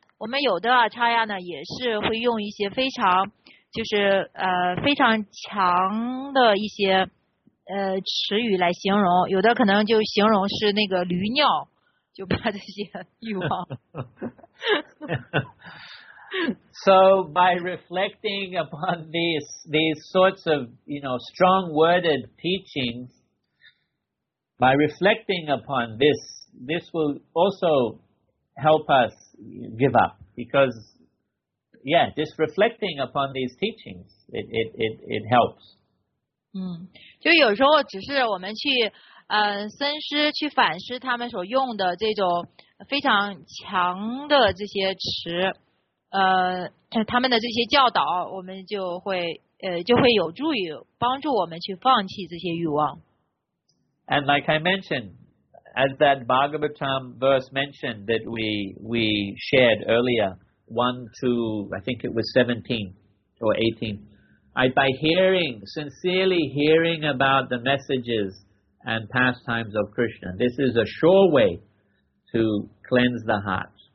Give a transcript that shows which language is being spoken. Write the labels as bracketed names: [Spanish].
[Chinese] 我们有的啊，叉呀呢，也是会用一些非常就是非常强的一些词语来形容，有的可能就形容是那个驴尿，就把这些欲望。 [English] So by reflecting upon these sorts of, you know, strong worded teachings, by reflecting upon this will also help us give up. Because, yeah, just reflecting upon these teachings, it helps. [Chinese] 就有时候只是我们去深思去反思他们所用的这种非常强的这些词。他们的这些教导，我们就会有助于帮助我们去放弃这些欲望。 [English] And like I mentioned, as that Bhagavatam verse mentioned that we shared earlier, 1:17-18, by hearing, sincerely hearing about the messages and pastimes of Krishna, this is a sure way to cleanse the heart.